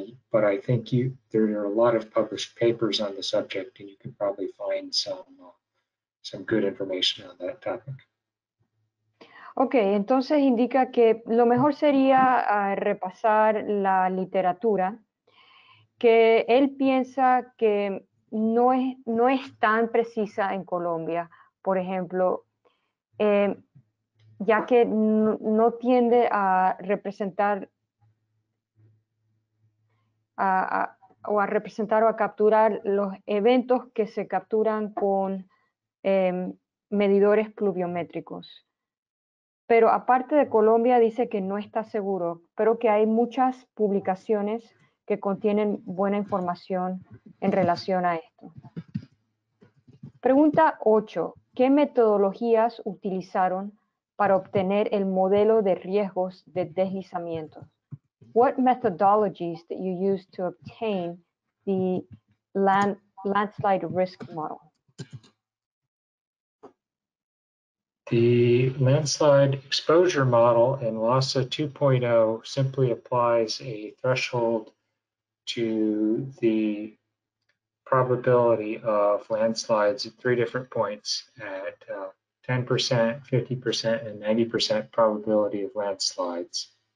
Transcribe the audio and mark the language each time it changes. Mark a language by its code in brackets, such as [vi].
[en] But I think there are a lot of published papers on the subject, and you can probably find some good information on that topic. [es] Okay, entonces indica que lo mejor sería repasar la literatura, que él piensa que no es tan precisa en Colombia, por ejemplo, ya que no tiende a representar a capturar los eventos que se capturan con medidores pluviométricos. Pero aparte de Colombia, dice que no está seguro, pero que hay muchas publicaciones que contienen buena información en relación a esto. Pregunta 8. ¿Qué metodologías utilizaron para obtener el modelo de riesgos de deslizamientos? [en] What methodologies did you use to obtain the landslide risk model? The landslide exposure model in LASA 2.0 simply applies a threshold to the probability of landslides at three different points at 10%, 50%, and 90% probability of landslides.